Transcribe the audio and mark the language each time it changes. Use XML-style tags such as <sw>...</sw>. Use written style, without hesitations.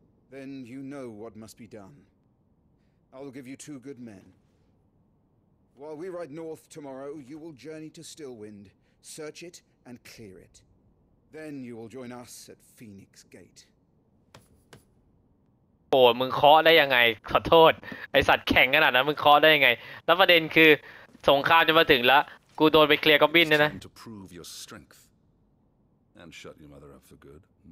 <en>Then you know what must be done. I will give you two good men. While we ride north tomorrow, you will journey to Stillwind, search it and clear it. Then you will join us at Phoenix Gate.</en> <th>โอ้มึงเคาะได้ยังไงขอโทษไอสัตว์แข็งขนาดนั้นมึงเคาะได้ยังไงแล้วประเด็นคือสงครามจะมาถึงแล้วกูโดนไปเคลียร์ก็อบบินนะ</th> <en>นะ To prove your strength and shut your mother up for good.</en>